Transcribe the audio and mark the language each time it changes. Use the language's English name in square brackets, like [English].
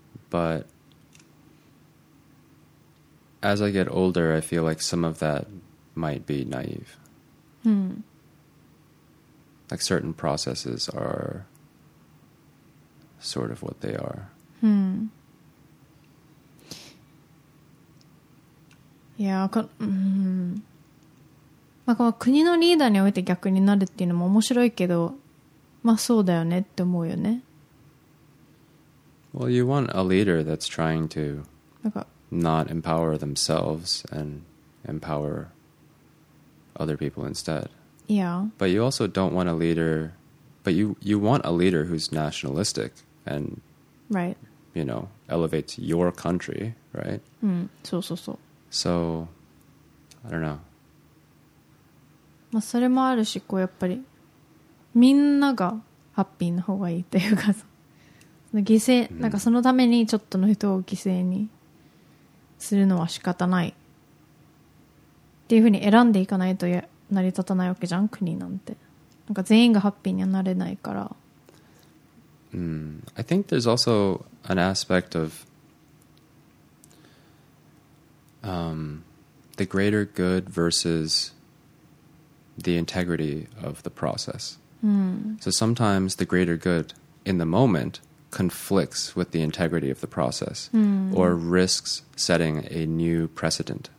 [English] But as I get older, I feel like some of that might be naive. Like certain processes are sort of what they are. Yeah, [Japanese] まあ、国のリーダーにおいて逆になるっていうのも面白いけど、まあそうだよねって思うよね。 [English] Well, you want a leader that's trying to not empower themselves and empower other people instead. Yeah. But you also don't want a leader, but you want a leader who's nationalistic and, right, you know, elevates your country, right? [Japanese] そうそうそう。 [English] So, I don't know. [Japanese] まあ、それもあるし、こうやっぱりみんながハッピーな方がいいというか、犠牲、なんかそのためにちょっとの人を犠牲にするのは仕方ないっていうふうに選んでいかないと成り立たないわけじゃん、国なんて。なんか全員がハッピーにはなれないから。 [English] I think there's also an aspect of the greater good versus. The integrity of the process. So sometimes the greater good in the moment conflicts with the integrity of the process, or risks setting a new precedent.